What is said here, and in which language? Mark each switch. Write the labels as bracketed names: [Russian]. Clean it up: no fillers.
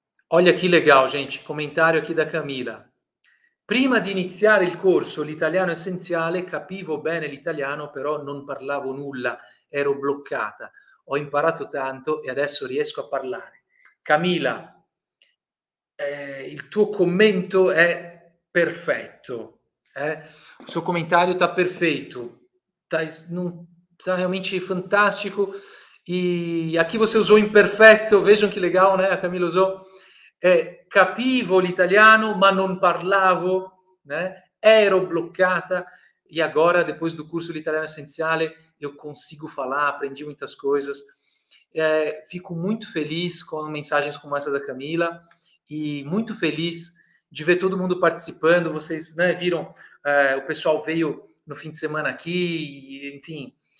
[Portuguese] Olha que legal, gente. Comentário aqui da Camila. [Italian] Prima di iniziare il corso, l'italiano essenziale, capivo bene l'italiano, però non parlavo nulla, ero bloccata. Ho imparato tanto e adesso riesco a parlare. Camila, il tuo commento è perfetto. Il suo commentario sta perfetto. [Portuguese] Tá realmente fantástico. E aqui você usou imperfetto, vejam que legal, né? A Camila usou. [Italian] É, capivo l'italiano, ma non parlavo, né? Ero bloccata [Portuguese] e agora, depois do curso l'italiano essenziale, eu consigo falar, aprendi muitas coisas. É, fico muito feliz com mensagens como essa da Camila e muito feliz de ver todo mundo participando. Vocês, né, viram, o pessoal veio no fim de semana aqui, e, enfim.